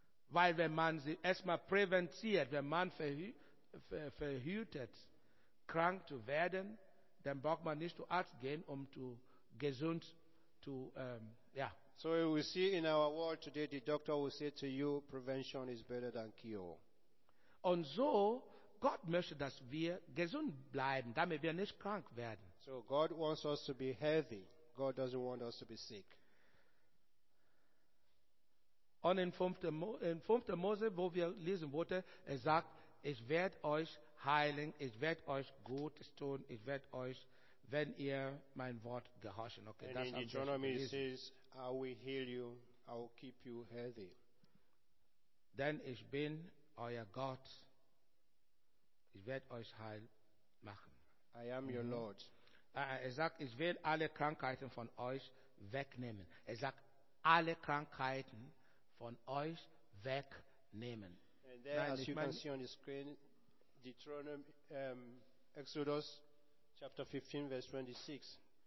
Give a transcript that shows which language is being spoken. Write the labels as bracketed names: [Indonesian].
[German] Weil wenn man sie erstmal präventiert, wenn man verhütet, krank zu werden, dann braucht man nicht zu Arzt gehen, um zu gesund zu [English] So we see in our world today, the doctor will say to you, prevention is better than cure. [German] Und so, Gott möchte, dass wir gesund bleiben, damit wir nicht krank werden. [English] So God wants us to be healthy. God doesn't want us to be sick. [German] Und in 5. Mose, wo wir lesen wollten, er sagt, ich werde euch heilen, ich werde euch gut tun, ich werde euch, wenn ihr mein Wort gehorchen. [English] Okay, and in Deuteronomy it says, I will heal you, I will keep you healthy. [German] Denn ich bin euer Gott. Ich werde euch heil machen. [English] I am your Lord. [German] Er sagt, ich will alle Krankheiten von euch wegnehmen. Er sagt, alle Krankheiten von euch wegnehmen. [English] And there, as you can see on the screen, Deuteronomy, Exodus chapter 15, verse 26.